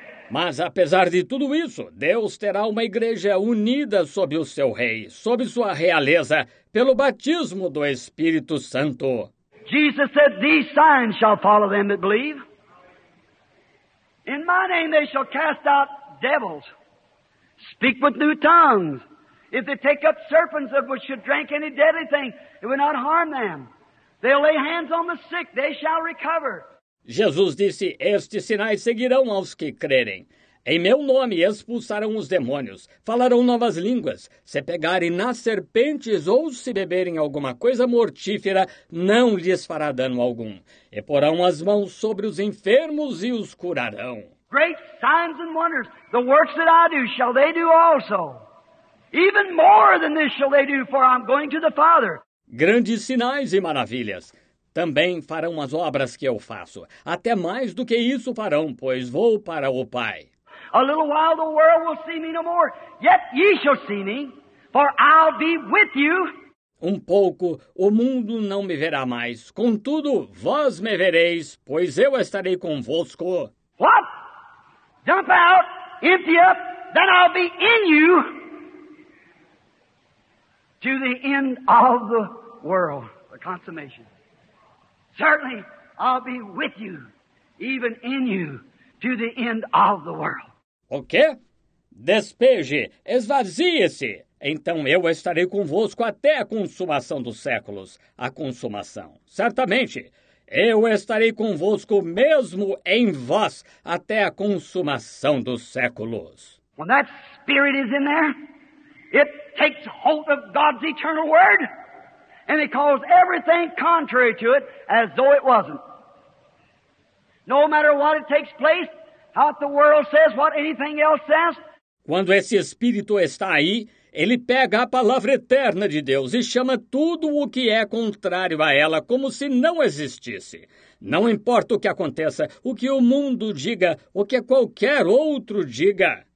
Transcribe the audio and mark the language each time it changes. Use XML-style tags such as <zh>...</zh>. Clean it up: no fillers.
<pt>Mas apesar de tudo isso, Deus terá uma igreja unida sob o seu rei, sob sua realeza, pelo batismo do Espírito Santo.</pt> <en>Jesus said, "These signs shall follow them that believe. In my name they shall cast out devils, speak with new tongues. If they take up serpents that should drink any deadly thing, it will not harm them. They'll lay hands on the sick, they shall recover."</en> <pt>Jesus disse, "Estes sinais seguirão aos que crerem. Em meu nome expulsarão os demônios, falarão novas línguas. Se pegarem nas serpentes ou se beberem alguma coisa mortífera, não lhes fará dano algum. E porão as mãos sobre os enfermos e os curarão."</pt> <en>Great signs and wonders, the works that I do, shall they do also. Even more than this shall they do, for I'm going to the Father.</en> <pt>Grandes sinais e maravilhas. Também farão as obras que eu faço. Até mais do que isso farão, pois vou para o Pai.</pt> <en>A little while the world will see me no more, yet ye shall see me, for I'll be with you.</en> <pt>Um pouco o mundo não me verá mais, contudo vós me vereis, pois eu estarei convosco.</pt> <en>What? Jump out, empty up, then I'll be in you to the end of the world, the consummation. Certainly, I'll be with you, even in you, to the end of the world.</en> <pt>O quê? Despeje, esvazie-se. Então eu estarei convosco até a consumação dos séculos, a consumação. Certamente, eu estarei convosco mesmo em vós até a consumação dos séculos.</pt> <en>When that spirit is in there, it takes hold of God's eternal word. And he calls everything contrary to it as though it wasn't. No matter what it takes place, how the world says, what anything else says.</en> <pt>Quando esse Espírito está aí, ele pega a palavra eterna de Deus e chama tudo o que é contrário a ela como se não existisse. Não importa o que aconteça, o que o mundo diga, o que qualquer outro diga.</pt>